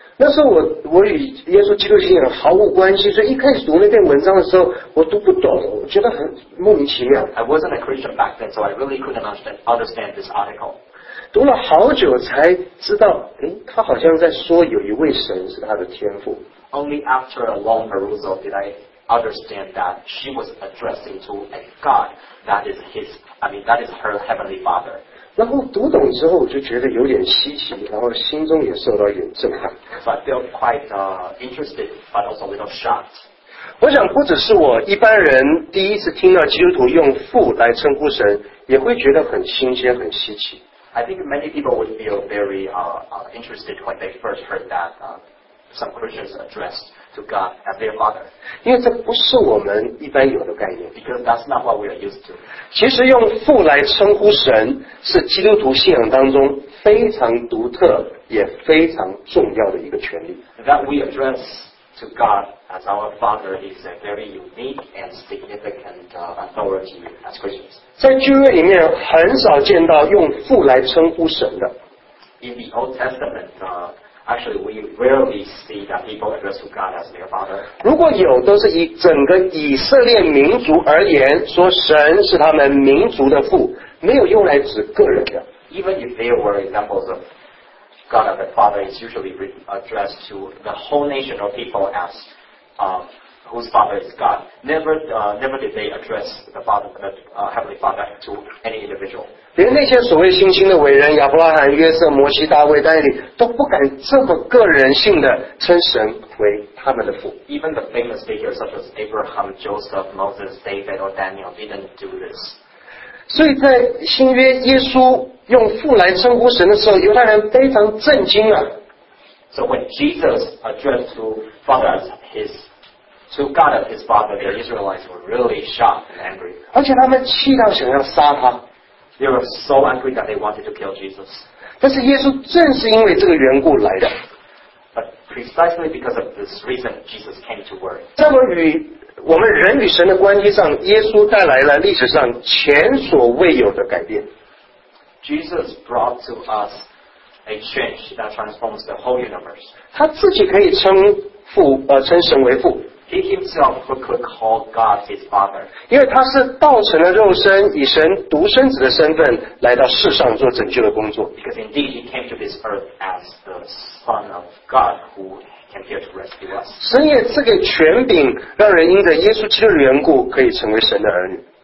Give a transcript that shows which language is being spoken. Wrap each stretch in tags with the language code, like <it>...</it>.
<zh>那时候我与耶稣基督信仰毫无关系，所以一开始读那篇文章的时候，我读不懂，我觉得很莫名其妙。</zh> <en>I wasn't a Christian back then, so I really couldn't understand this article.</en> <zh>读了好久才知道，他好像在说有一位神是他的天父。</zh> <en>Only after a long perusal did I understand that she was addressing to a God that is her heavenly father.</en> <zh>然后读懂之后，我就觉得有点稀奇，然后心中也受到一点震撼。</zh> <en>So I felt quite interested, but also a little shocked.</en> <zh>我想不只是我，一般人第一次听到基督徒用父来称呼神，也会觉得很新鲜、很稀奇。</zh> <en>I think many people would feel very interested when they first heard that some Christians addressed. To God as their father.</en> <zh>因为这不是我们一般有的概念。</zh> <en>Because that's not what we are used to.</en> <zh>其实用父来称呼神是基督徒信仰当中非常独特也非常重要的一个权利。</zh> <en>That we address to God as our father is a very unique and significant authority as Christians.</en> <zh>在旧约里面很少见到用父来称呼神的。</zh> <en>In the Old Testament, Actually, we rarely see that people address to God as their father.</en> <zh>如果有，都是以整个以色列民族而言，说神是他们民族的父，没有用来指个人的。</zh> <en>Even if there were examples of God as a father, it's usually addressed to the whole nation or people as whose father is God. Never did they address the father, the heavenly father, to any individual.</en> <zh>连那些所谓信心的伟人亚伯拉罕约瑟摩西大卫但以都不敢这么个人性的称神为他们的父</zh> <en>Even the famous figures such as Abraham, Joseph, Moses, David or Daniel didn't do this</en> <zh>所以在新约耶稣用父来称呼神的时候犹太人非常震惊啊</zh> <en>So when Jesus addressed to Father as his So God and his father, the Israelites, were really shocked and angry.</en> <zh>而且他们气到想要杀他。</zh> <en>They were so angry that they wanted to kill Jesus.</en> <zh>但是耶稣正是因为这个缘故来的。</zh> <en>But precisely because of this reason, Jesus came to earth.</en> <zh>那么与我们人与神的关系上，耶稣带来了历史上前所未有的改变。</zh> <en>Jesus brought to us a change that transforms the whole universe.</en> <zh>他自己可以称父，称神为父。</zh> <en>He himself could call God his father.</en> <zh>因为他是道成了肉身，以神独生子的身份来到世上做拯救的工作。</zh> <en>Because indeed he came to this earth as the Son of God who came here to rescue us.</en> <zh>神也赐给权柄，让人因着耶稣基督的缘故可以成为神的儿女。</zh>